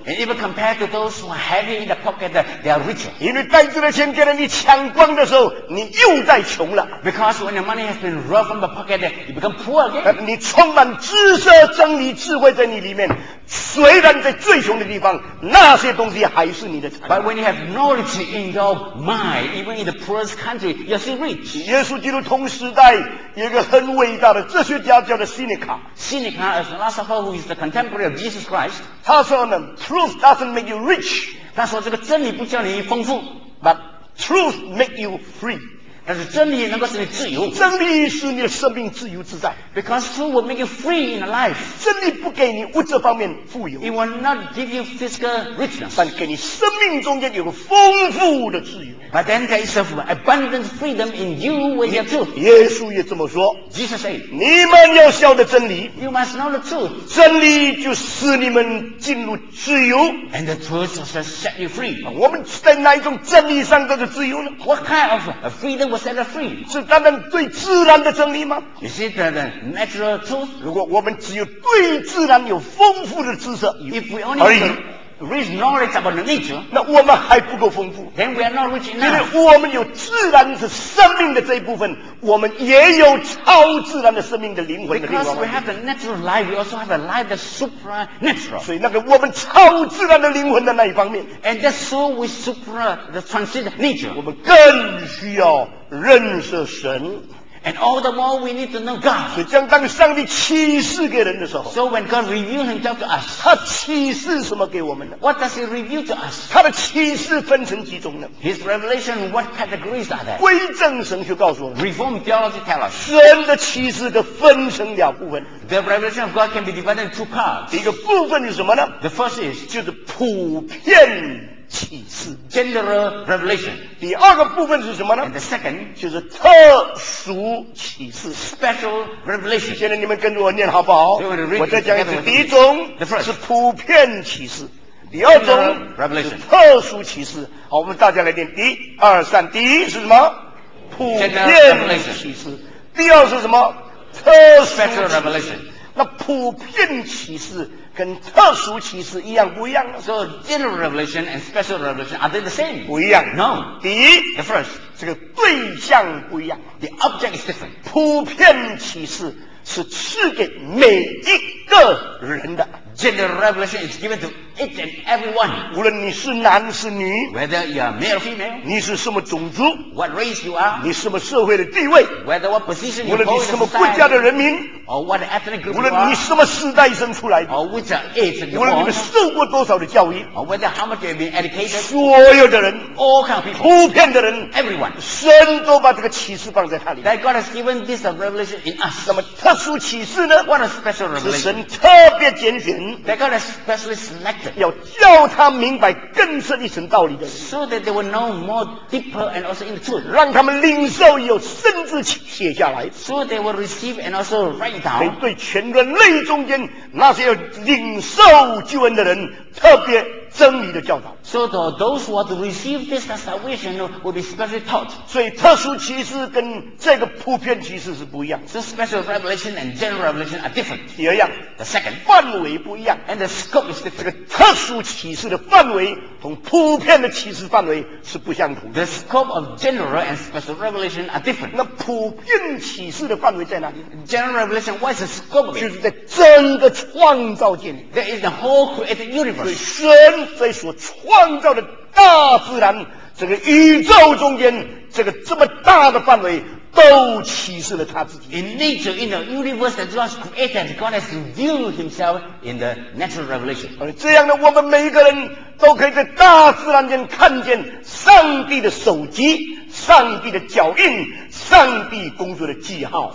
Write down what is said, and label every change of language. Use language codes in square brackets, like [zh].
[en] And even compared to those who are heavy in the pocket, they are richer. [zh] 因为袋子的钱跟你抢光的时候你又在穷了。 [en] Because when your money has been robbed from pocket, you become poor again. [zh] 你充满知识、真理、智慧在你里面，虽然在最穷的地方，那些东西还是你的财。 [en] But when you have knowledge in your mind, even in the poorest country, you're still rich. [zh] 耶稣基督同时代有一个很伟大的哲学家叫做 Seneca. [en] Seneca is a philosopher who is the contemporary of Jesus Christ. [zh] 他说呢 [en] ，Truth doesn't make you rich. [zh] 他说这个真理不叫你丰富 [en] ，But truth make you free. [zh] 但是真理能够使你自由，真理使你的生命自由自在。 [en] Because truth will make you free in life. [zh] 真理不给你物质方面富有。 [en] It will not give you physical richness. [zh] 但给你生命中间有丰富的自由。 [en] But then there is abundant freedom in you with your truth. [zh] 耶稣也这么说。 [en] Jesus said, [zh] 你们要晓得真理。 [en] You must know the truth. [zh] 真理就使你们进入自由。 [en] And the truth shall set you free. [zh] 我们在哪一种真理上得的自由呢？ [en] What kind of freedom? 我 set free [zh] 是单单对自然的真理吗？ [en] Is it the natural truth? [zh] 如果我们只有对自然有丰富的知识， [en] If we only have rich knowledge about nature, [zh] 那我们还不够丰富。 [en] Then we are not rich enough. [zh] 因为我们有自然的生命的这一部分，我们也有超自然的生命的灵魂的另外一部分。 [en] Because we have the natural life, we also have a life that's supernatural. [zh] 所以那个我们超自然的灵魂的那一方面， [en] And that's so we supernatural, the transcendent nature. [zh] 我们更需要认识神。 [en] And all the more we need to know God. [zh] 所以将当上帝启示给人的时候， [en] So when God reveals himself to us, [zh] 他启示什么给我们呢？ [en] What does he reveal to us? [zh] 他的启示分成几种呢？ [en] His revelation, what categories are there? [zh] 归正神学告诉我们， [en] Reformed theology tell us, [zh] 神的启示的分成两部分。 [en] The revelation of God can be divided into two parts. [zh] 一个部分是什么呢？ [en] The first is, [zh] 就是普遍启示 [en] General revelation. [zh] 第二个部分是什么呢？ [en] And the second [zh] 就是特殊启示 [en] Special revelation. [zh] 现在你们跟着我念好不好？ [en] So、read, [zh] 我再讲一次。第一种 [en] the first [zh] 是普遍启示，第二种 [en] revelation [zh] 是特殊启示。好，我们大家来念，第一、二、三。第一是什么？普遍启示。第二是什么？特殊 [en] Special revelation. [zh] 那普遍启示。跟特殊启示一样不一样呢？ [en] So general revelation and special revelation are they the same? [zh] 不一样。 [en] No. [zh] 第一 [en] ，the first， [zh] 这个对象不一样。 [en] The object is different. [zh] 普遍启示是赐给每一个人的。 [en] General revelation is given to each and everyone. [zh] 无论你是男是女 [en] ，whether you are male or female， [zh] 你是什么种族 [en] ，what race you are， [zh] 你什么社会的地位 [en] ，whether what position you hold in society， [zh] 无论你什么国家的人民 [en] ，or what ethnic group you are， [zh] 无论你什么时代生出来 [en] ，or which age you are， [zh] 无论你们受过多少的教育 [en] ，or whether how much you have been educated， [zh] 所有的人 [en] ，all kind of people， [zh] 普遍的人 [en] ，everyone， [zh] 神都把这个启示放在他里面。 [en] That God has given this revelation in us。 [zh] 那么特殊启示呢 [en] ？What a special revelation！ [zh] 是神特别拣选。 [en] They got a specially selected. [zh] 要教他明白更深一层道理的。 [en] So that they will know more deeper and also in the truth. [zh] 让他们领受以后甚至写下来。 [en] So they will receive and also write down. [zh] 并对全人类中间那些要领受救恩的人特别真理的教导。 [en] So those who are to receive this salvation will be specially taught. [zh] 所以特殊启示跟这个普遍启示是不一样。 [en] So special revelation and general revelation are different. [zh] 第二样。 [en] The second. [zh] 范围不一样。 [en] And the scope is different. [zh] 这个特殊启示的范围同普遍的启示范围是不相同的。 [en] The scope of general and special revelation are different. [zh] 那普遍启示的范围在哪里？ [en] General revelation, what is the scope of it? [zh] 就是在整个创造界里。 [en] There is the whole created universe. [zh] 所以神在所创造的大自然，这个宇宙中间，这个这么大的范围，都启示了他自己。 [en] In nature, in the universe that God created, God has revealed Himself in the natural revelation. [zh] 而这样呢，我们每一个人都可以在大自然间看见上帝的手迹、上帝的脚印、上帝工作的记号。